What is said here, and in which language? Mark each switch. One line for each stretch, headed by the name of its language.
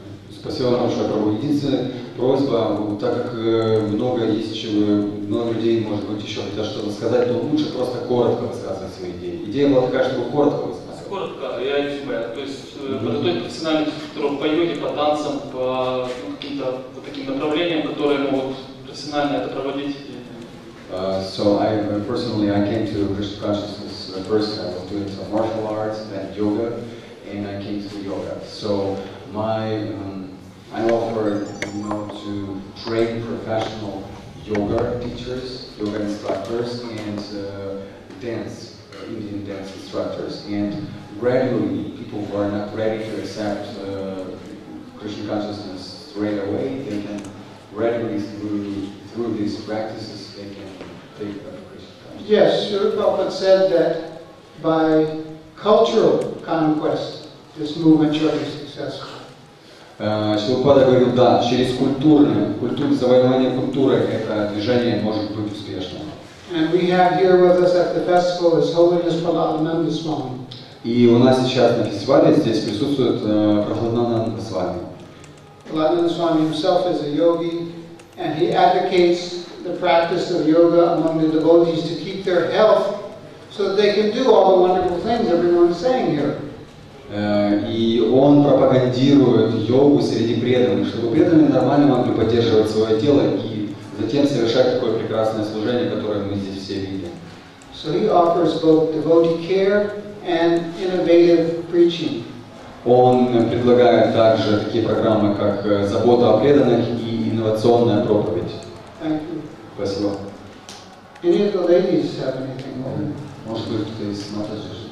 Russian: Спасибо вам большое, Прабху. Единственная просьба, так как много есть, чем много людей, может быть, еще хотят что-то сказать, то лучше просто коротко рассказывать свои идеи. Идея была такая, чтобы коротко рассказывать. Коротко, я и понимаю. То есть подготовить профессиональных инструкторов по йоге, по танцам, по каким-то по таким направлениям, которые могут профессионально это проводить.
English: So I personally came to Krishna consciousness first. I was doing some martial arts, then yoga, and I came to yoga. So I offer, you know, to train professional yoga teachers, yoga instructors, and Indian dance instructors. And gradually, people who are not ready to accept Krishna consciousness straight away, they can gradually through these practices, they can take up Krishna consciousness. Yes, Srila Prabhupada said that by cultural conquest, this movement should be successful.
Russian: Шилупада говорил, да, через культурное, завоевание культуры это движение может быть успешным.
English: And we have here with us at the festival His Holiness Prahladananda Swami.
Russian: И у нас сейчас на фестивале здесь присутствует Прахладананда Свами.
English: Prahladananda Swami himself is a yogi, and he advocates the practice of yoga among the devotees to keep their health, so that they can do all the wonderful things everyone is saying here.
Russian: И он пропагандирует йогу среди преданных, чтобы преданные нормально могли поддерживать свое тело и затем совершать такое прекрасное служение, которое мы здесь все видим.
English: So he offers both devotee care and innovative preaching.
Russian: Он предлагает также такие программы, как забота о преданных и инновационная проповедь.
English: Thank you.
Russian: Спасибо.
English: Any of the ladies have anything more?
Russian: Может быть, кто-то из матерей?